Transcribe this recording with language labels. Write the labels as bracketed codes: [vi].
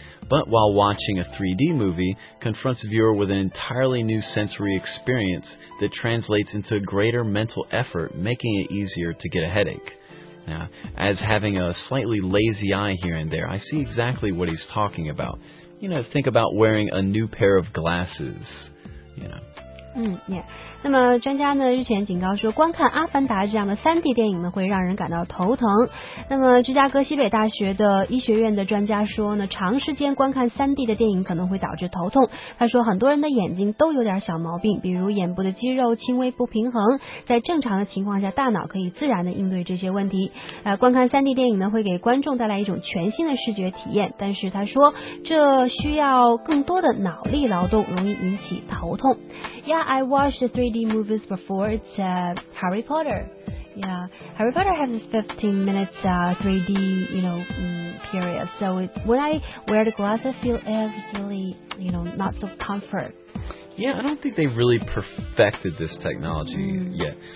[en] But while watching a 3D movie confronts the viewer with an entirely new sensory experience that translates into greater mental effort, making it easier to get a headache. Now, as having a slightly lazy eye here and there, I see exactly what he's talking about. You know, think about wearing a new pair of glasses, you know. [zh] 那么专家呢日前警告说，观看《阿凡达》这样的 3D 电影呢，会让人感到头疼。那么芝加哥西北大学的医学院的专家说呢，长时间观看 3D 的电影可能会导致头痛。他说，很多人的眼睛都有点小毛病，比如眼部的肌肉轻微不平衡。在正常的情况下，大脑可以自然的应对这些问题。观看 3D 电影呢，会给观众带来一种全新的视觉体验。但是他说，这需要更多的脑力劳动，容易引起头痛。 [en] Yeah, I watched the 3D movies before. It's Harry Potter. Yeah, Harry Potter has a 15 minutes 3D, you know, period. So when I wear the glasses, I feel it's really, you know, not so comfort. Yeah, I don't think they've really perfected this technology yet.